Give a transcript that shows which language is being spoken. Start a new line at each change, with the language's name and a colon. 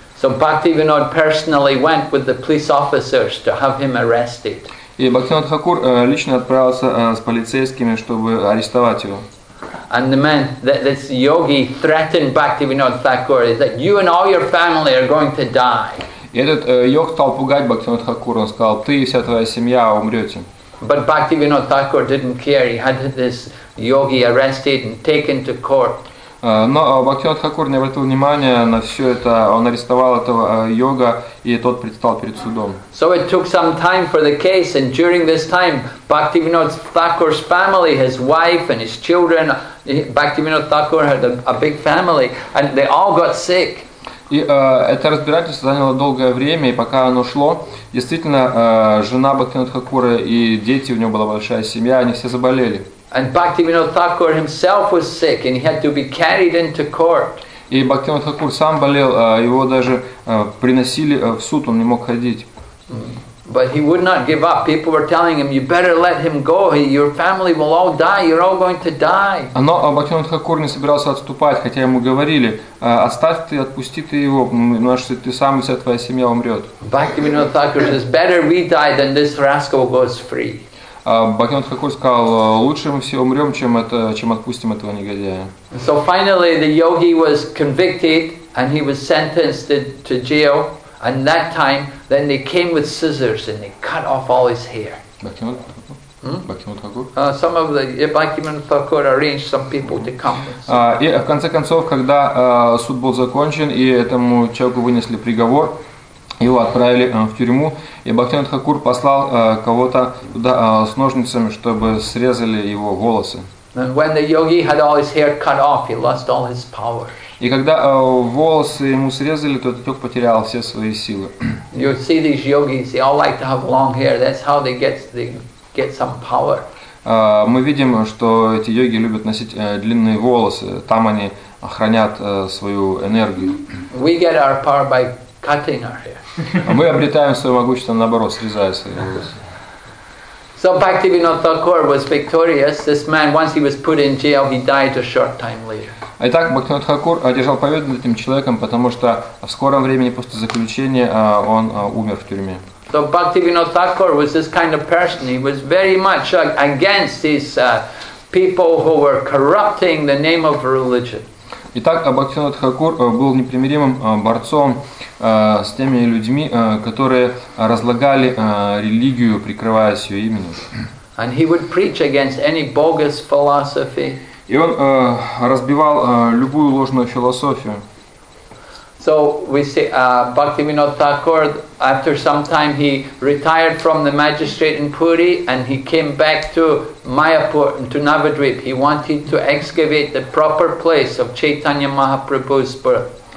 English: So Bhaktivinoda personally went with the police officers to have him arrested.
Russian: И Бхактивинода Хакур лично отправился с полицейскими, чтобы арестовать его.
English: And the man, this yogi, threatened Bhaktivinoda Thakur that you and all your family are going to die.
Russian: И этот йог стал пугать Бхактивинода Хакура, он сказал: «Ты и вся твоя семья умрете».
English: But Bhaktivinoda Thakur didn't care. He had this yogi arrested and taken to court.
Russian: Но Бхактивинода Хакур не обратил внимания на все это. Он арестовал этого йога, и тот предстал перед судом.
English: So it took some time for the case, and during this time, Bhaktivinoda Thakur's family, his wife and his children, Bhaktivinoda Thakur had a big family, and they all got sick.
Russian: И это разбирательство заняло долгое время, и пока оно шло, действительно, жена Бхактивинода Хакура и дети, у него была большая семья, они все заболели.
English: And Bhaktivinoda Thakur himself was sick, and he had to be carried into court.
Russian: И Бхактивинода Хакур сам болел, его даже приносили в суд, он не мог ходить.
English: But he would not give up. People were telling him, "You better let him go. Your family will all die. You're all going to die."
Russian: Но Бхактивинода Хакур не собирался отступать, хотя ему говорили: "Оставь ты, отпусти ты его, потому что ты сам и вся твоя семья умрет."
English: Бхактивинода Хакур says, "Better we die than this rascal goes free."
Russian: Бхагаван Тхакур сказал, лучше мы все умрем, чем отпустим этого негодяя.
English: So finally the yogi was convicted and he was sentenced to jail. And that time, then they came with scissors and they cut off all his hair. Some of the Bhaktivinoda Thakur arranged some people to come.
Russian: И в конце концов, когда суд был закончен и этому человеку вынесли приговор, его отправили в тюрьму, и Бхактивинода Тхакур послал кого-то туда с ножницами, чтобы срезали его волосы.
English: And when the yogi had all his hair cut off, he lost all his power.
Russian: И когда волосы ему срезали, то этот потерял все свои силы.
English: You see these yogis, they all like to have long hair. That's how they get some power.
Russian: Мы видим, что эти йоги любят носить длинные волосы. Там они хранят свою энергию.
English: We get our power by cutting our hair.
Russian: Мы обретаем свое могущество, наоборот, срезая свои волосы.
English: So Bhaktivinoda Thakur was victorious. This man, once he was put in jail, he died a short time later.
Russian: Итак, Бхактивинода Тхакур одержал победу над этим человеком, потому что в скором времени после заключения он умер в тюрьме.
English: So Bhaktivinoda Thakur was this kind of person. He was very much against these people who were corrupting the name of religion.
Russian: Итак, Бхактивинода Тхакур был непримиримым борцом с теми людьми, которые разлагали религию, прикрываясь ее именем.
English: And he would preach against any bogus philosophy.
Russian: И он разбивал любую ложную философию.
English: So we see Bhaktivinoda Thakur, after some time he retired from the magistrate in Puri and he came back to Mayapur, to Navadvip. He wanted to excavate the proper place of Chaitanya Mahaprabhu's birth.